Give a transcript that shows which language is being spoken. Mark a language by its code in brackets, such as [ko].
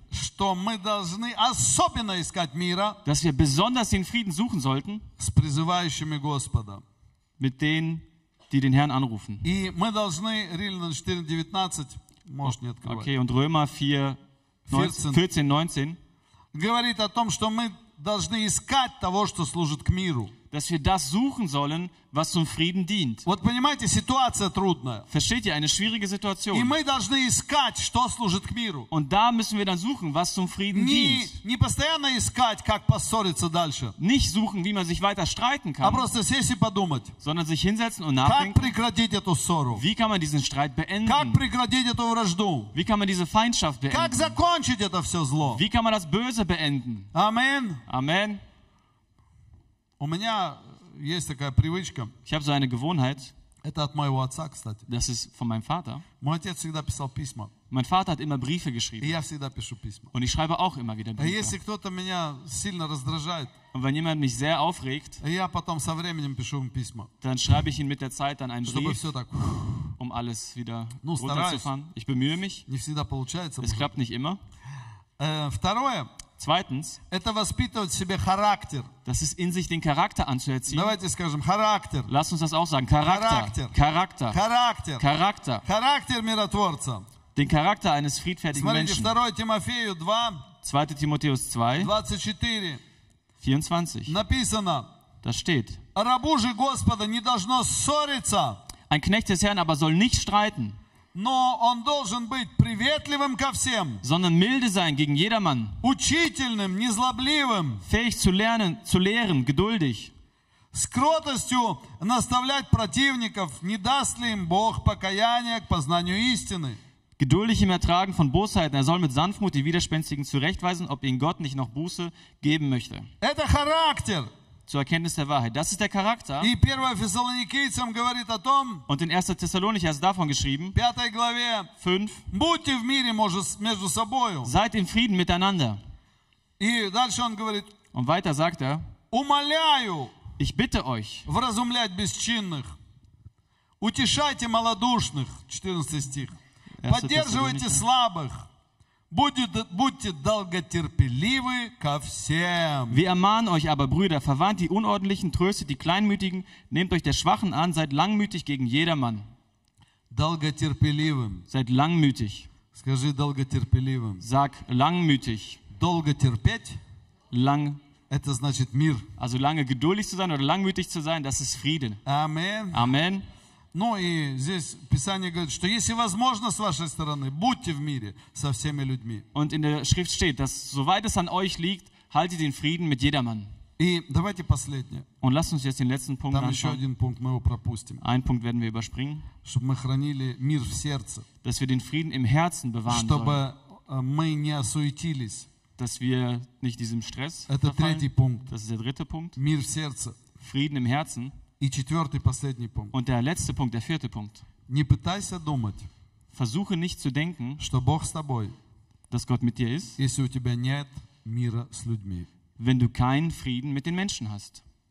[ru] что мы должны особенно искать мира. [de] Dass wir besonders den Frieden suchen sollten. [ru] С призывающими Господа. [de] Mit denen, die den Herrn anrufen. [ru] И мы должны Римлян 4:19, может не открывать. [de] Okay, und Römer 4:14-19. [ru] Говорит о том, что мы должны искать того, что служит к миру. [de] Dass wir das suchen sollen, was zum Frieden dient. [ru] Вот понимаете, ситуация трудная. [de] Versteht ihr, eine schwierige Situation. [ru] И мы должны искать, что служит к миру. [de] Und da müssen wir dann suchen, was zum Frieden dient. [ru] Не постоянно искать, как поссориться дальше. [de] Nicht suchen, wie man sich weiter streiten kann. [ru] А просто сесть и подумать. [de] Sondern sich hinsetzen und nachdenken. [ru] Как прекратить эту ссору? [de] Wie kann man diesen Streit beenden? [ru] Как прекратить эту вражду? [de] Wie kann man diese Feindschaft beenden? [ru] Как закончить это все зло? [de] Wie kann man das Böse beenden? [ru] Amen. [de] Amen. [ru] У меня есть такая привычка. [de] Ich habe so eine Gewohnheit. [ru] Это от моего отца, кстати. [de] Das ist von meinem Vater. [ru] Мой отец всегда писал письма. [de] Mein Vater hat immer Briefe geschrieben. [ru] И я всегда пишу письма. [de] Und ich schreibe auch immer wieder Briefe. [ru] А если кто-то меня сильно раздражает, [de] und wenn jemand mich sehr aufregt, [ru] я потом со временем пишу ему письма. [de] Dann schreibe ich ihm mit der Zeit dann einen Brief. [ru] Чтобы все так, [de] um alles wieder runterzufahren. Ich bemühe mich. [ru] Не всегда получается. [de] Es klappt nicht immer. [ru] Второе. [de] Zweitens, [ru] это воспитывать себе характер. [de] Das ist in sich den Charakter anzuerziehen. [ru] Давайте скажем характер. [de] Lass uns das auch sagen. Charakter. Charakter. Charakter. Charakter. [ru] Charakter миротворца. [de] Den Charakter eines friedfertigen [ru] смотрите, 2 Тимофею 2. [de] 2 Тимотеус 2. [ru] 24. [de] 24. [ru] Написано. [de] Da steht. [ru] Рабу же Господа не должно ссориться. [de] Ein Knecht des Herrn aber soll nicht streiten. [ru] Но он должен быть приветливым ко всем. [de] Sondern milde sein gegen jedermann. [ru] Учительным, незлобливым. [de] Fähig zu lernen, zu lehren, geduldig. [ru] С кротостью наставлять противников, не даст ли им Бог покаяния к познанию истины. [de] Geduldig im Ertragen von Bosheiten, er soll mit Sanftmut die Widerspenstigen zurechtweisen, ob ihnen Gott nicht noch Buße geben möchte. [ru] Это характер. [de] Zur Erkenntnis der Wahrheit. Das ist der Charakter. Und in 1. Thessalonicher ist davon geschrieben, 5, [ru] будьте в мире между собою. [de] Seid im Frieden miteinander. [ru] И дальше он говорит, [de] und weiter sagt er, [ru] умоляю, [de] ich bitte euch, [ru] вразумлять бесчинных, Утешайте малодушных, 14 стих. Поддерживайте слабых. Будьте долготерпеливы ко всем. [de] Wir ermahnen euch aber, Brüder, verwarnt die Unordentlichen, tröstet die Kleinmütigen, nehmt euch der Schwachen an, seid langmütig gegen jedermann. [ru] Долготерпеливым. [de] Seid langmütig. [ru] Скажи долготерпеливым. [de] Sag langmütig. [ru] Долготерпеть. [de] Lang. [ru] Это значит мир. [de] Also lange geduldig zu sein oder langmütig zu sein, das ist Frieden. [ru] Amen. [de] Amen. [ru] Ну и здесь Писание говорит, что если возможно с вашей стороны, будьте в мире со всеми людьми. [de] Und in der Schrift steht, dass soweit es an euch liegt, haltet den Frieden mit jedermann. [ru] И давайте последнее. [de] Und lasst uns jetzt den letzten Punkt anschauen. [ru] Еще один пункт мы его пропустим. [de] Ein Punkt werden wir überspringen. [ru] Чтобы мы хранили мир в сердце. [de] Dass wir den Frieden im Herzen bewahren [ru] чтобы [de] sollen. [ru] Мы не осуетились. [de] Dass wir nicht diesem Stress это verfallen. [ru] Третий пункт. [de] Das ist der dritte Punkt. [ru] Мир в сердце. [de] Frieden im Herzen. [ru] И четвертый, последний пункт. [de] Und der letzte Punkt, der vierte Punkt. [ru] Не пытайся думать. [de] Versuche nicht zu denken, [ru] что Бог с тобой. [de] Dass Gott mit dir ist. [ru] Если у тебя нет мира с людьми. [de] Wenn du keinen Frieden mit den Menschen hast.